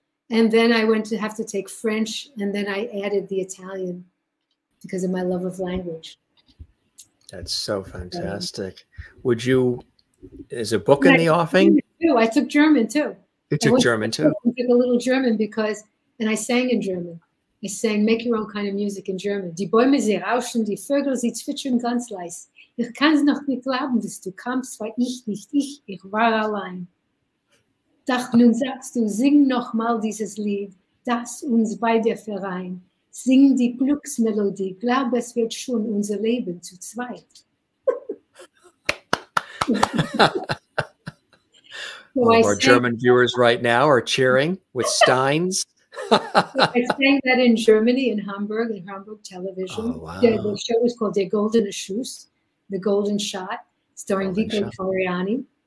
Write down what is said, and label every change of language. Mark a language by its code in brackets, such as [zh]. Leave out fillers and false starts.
[en] And then I went to have to take French. And then I added the Italian because of my love of language. That's so fantastic. Would you, is a book in the offing? I took German too. You took German too? I took a little German because, and I sang in German. I sang Make Your Own Kind of Music in German. [de] Die Bäume, sie rauschen, die Vögel, sie zwitschern ganz leise. Ich kann's noch nicht glauben, dass du kamst, war ich nicht ich, ich war allein. Doch nun sagst du, sing noch mal dieses Lied, das uns beide vereint. Sing die Glücksmelodie, glaub es wird schon unser Leben zu zweit. [en] All of our German viewers right now are cheering with steins. I sang that in Germany, in Hamburg television. Oh, wow. The show was called Der Goldene Schuss. The Golden Shot, starring Vico Toriani.